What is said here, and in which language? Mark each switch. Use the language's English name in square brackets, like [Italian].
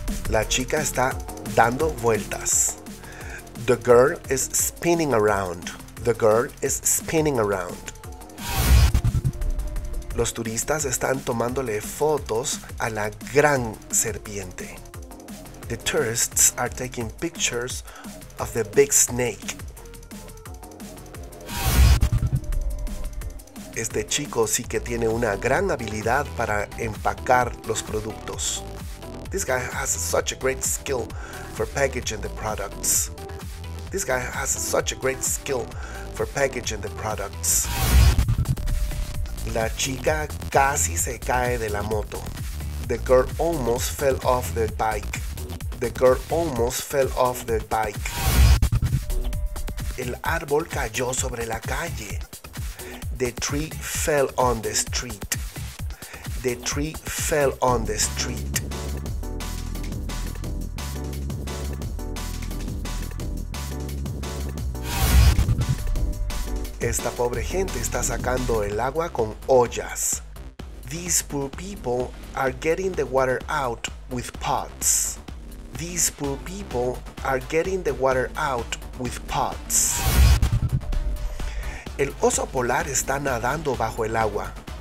[Spanish] La chica está dando vueltas. [English] The girl is spinning around. The girl is spinning around. [Spanish] Los turistas están tomándole fotos a la gran serpiente. [English] The tourists are taking pictures of the big snake. [Spanish] Este chico sí que tiene una gran habilidad para empacar los productos. [English] This guy has such a great skill for packaging the products. This guy has such a great skill for packaging the products. [Spanish] La chica casi se cae de la moto. [English] The girl almost fell off the bike. The girl almost fell off the bike. [Spanish] El árbol cayó sobre la calle. [English] The tree fell on the street. The tree fell on the street. [Spanish] Esta pobre gente está sacando el agua con ollas. [English] These poor people are getting the water out with pots. These poor people are getting the water out with pots. [Spanish] El oso polar está nadando bajo el agua.